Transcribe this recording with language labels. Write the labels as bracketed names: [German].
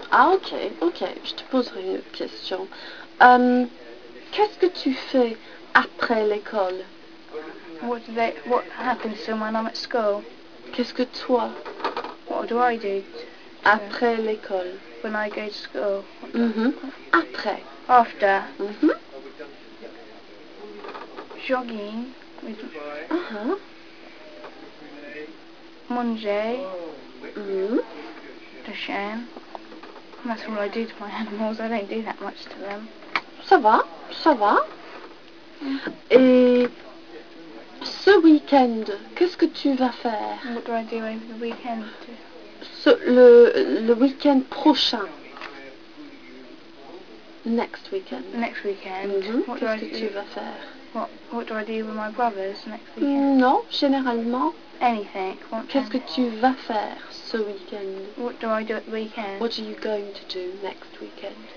[French] Ah, okay. Je te poserai une autre question. Qu'est-ce que tu fais après l'école. [English] What happens to me when I'm at school? [French] Qu'est-ce que toi? [English] What do I do? [French] Après l'école. [English] When I go to school. [French] Mm-hmm. Après. [English] After. Mm-hmm. Jogging. Uh-huh. [French] Manger. Mm-hmm. [English] The chien. That's all I do to my animals. I don't do that much to them. [French] Ça va, ça va. Et ce week-end, qu'est-ce que tu vas faire? [English] What do I do over the weekend? [French] Le week-end prochain. [English] Next weekend. Next weekend. [French] Mm-hmm. Qu'est-ce que tu vas faire? [English] What do I do with my brothers next weekend? [French] Non, généralement. [English] Anything. [French] Qu'est-ce que tu vas faire ce week-end? [English] What do I do at the weekend? What are you going to do next weekend?